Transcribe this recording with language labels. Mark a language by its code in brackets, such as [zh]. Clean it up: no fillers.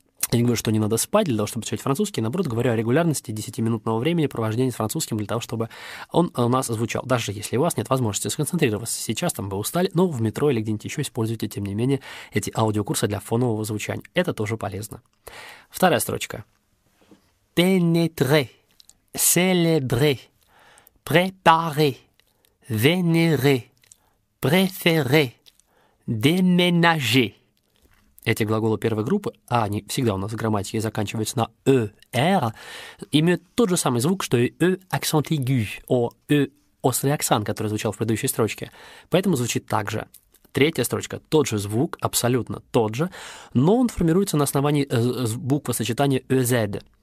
[ru] Я не говорю, что не надо спать для того, чтобы читать французский. Наоборот, говорю о регулярности 10-минутного времени провождения с французским для того, чтобы он у нас звучал. Даже если у вас нет возможности сконцентрироваться сейчас, там вы устали, но в метро или где-нибудь еще используйте, тем не менее, эти аудиокурсы для фонового звучания. Это тоже полезно. Вторая строчка. [fr] Pénétrer, célébrer, préparer, vénérer, préférer, déménager. [ru] Эти глаголы первой группы, а они всегда у нас в грамматике заканчиваются на «э», «р», имеют тот же самый звук, что и «э» акцент «игу», о «э» острый акцент, который звучал в предыдущей строчке. Поэтому звучит так же. Третья строчка, тот же звук, абсолютно тот же, но он формируется на основании буквы сочетания «эз».